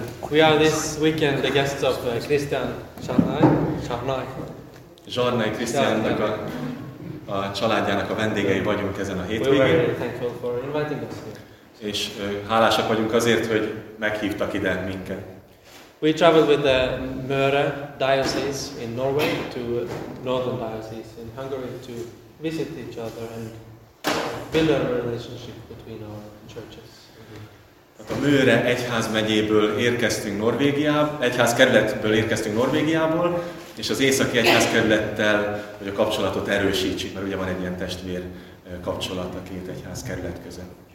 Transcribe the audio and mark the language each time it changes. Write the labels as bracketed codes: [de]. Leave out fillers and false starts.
[en] We are this weekend the guests of Christian Charnay. [hu] Charnay Christiannak a családjának a vendégei vagyunk ezen a hétvégén. [en] We are very thankful for inviting us here. [hu] És hálásak vagyunk azért, hogy meghívtak ide minket. [en] We traveled with the Møre diocese in Norway to Northern diocese in Hungary to visit each other and build a relationship between our churches. [hu] A Møre egyházmegyéből érkeztünk Norvégiába, egyházkerületből érkeztünk Norvégiából, és az északi egyházkerülettel, hogy a kapcsolatot erősítsük, mert ugye van egy ilyen testvér kapcsolat a két egyházkerület között.